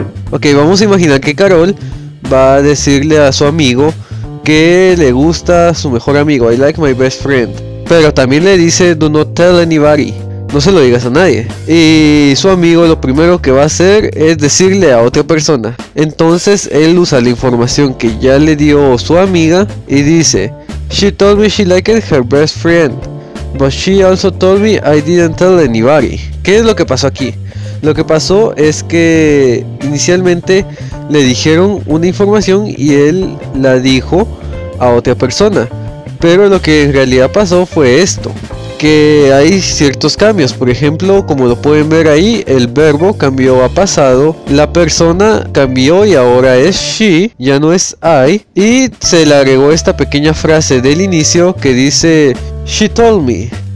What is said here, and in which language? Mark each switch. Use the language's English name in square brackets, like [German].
[Spanish] Ok, vamos a imaginar que Carol va a decirle a su amigo que le gusta su mejor amigo. [English] I like my best friend. [Spanish] Pero también le dice, [English] do not tell anybody. [Spanish] No se lo digas a nadie. Y su amigo lo primero que va a hacer es decirle a otra persona. Entonces él usa la información que ya le dio su amiga y dice, [English] she told me she liked her best friend, but she also told me I didn't tell anybody. [Spanish] ¿Qué es lo que pasó aquí? Lo que pasó es que inicialmente le dijeron una información y él la dijo a otra persona. Pero lo que en realidad pasó fue esto, que hay ciertos cambios. Por ejemplo, como lo pueden ver ahí, el verbo cambió a pasado, la persona cambió y ahora es she, ya no es I, y se le agregó esta pequeña frase del inicio que dice [English] she told me.